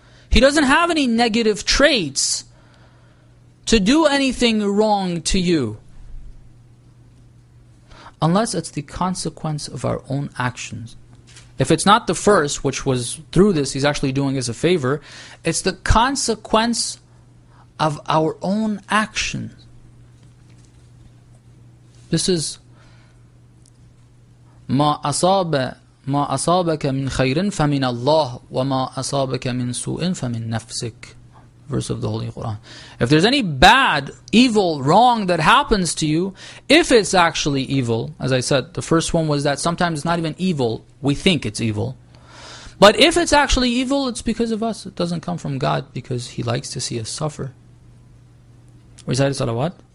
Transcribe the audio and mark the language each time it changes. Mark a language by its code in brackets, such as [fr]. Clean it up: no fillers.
[en] He doesn't have any negative traits to do anything wrong to you. Unless it's the consequence of our own actions. If it's not the first, which was through this, he's actually doing us a favor, it's the consequence of our own actions. This is [ar] ما أصابك من خير فمن الله وما أصابك من سوء فمن نفسك. [en] Verse of the Holy Quran. If there's any bad, evil, wrong that happens to you, if it's actually evil, as I said, the first one was that sometimes it's not even evil, we think it's evil. But if it's actually evil, it's because of us. It doesn't come from God because He likes to see us suffer. Recite salawat.